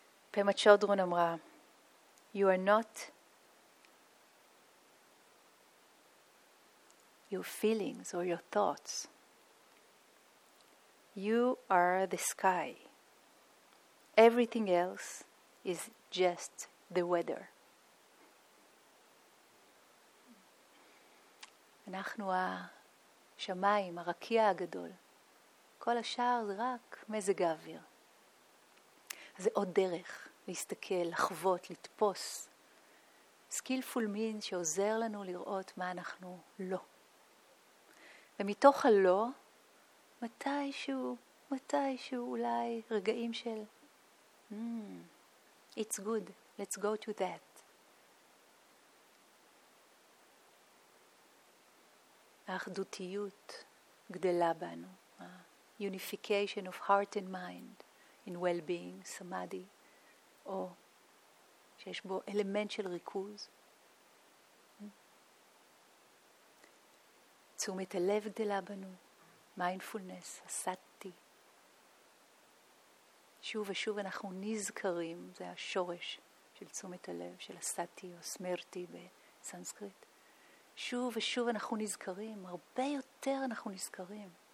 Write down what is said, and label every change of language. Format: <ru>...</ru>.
<he>פמה צ'ודרון אמרה,</he> <en>you are not your feelings or your thoughts. You are the sky. Everything else is just the weather.</en> <he>אנחנו השמיים, הרקיע הגדול. כל השאר זה רק מזג האוויר. זה עוד דרך להסתכל, לחוות, לתפוס. Skillful means שעוזר לנו לראות מה אנחנו לא. ומתוך הלא, מתישהו אולי רגעים של</he> <en>it's good, let's go to that.</en> <he>האחדותיות גדלה בנו.</he> <en>Unification of heart and mind in well-being, samadhi,</en> <he>או שיש בו אלמנט של ריכוז. תשומת הלב גדלה בנו, mindfulness, הסתי. שוב ושוב אנחנו נזכרים, זה השורש של תשומת הלב, של הסתי או סמרטי בסנסקריט. שוב ושוב אנחנו נזכרים, הרבה יותר אנחנו נזכרים.</he>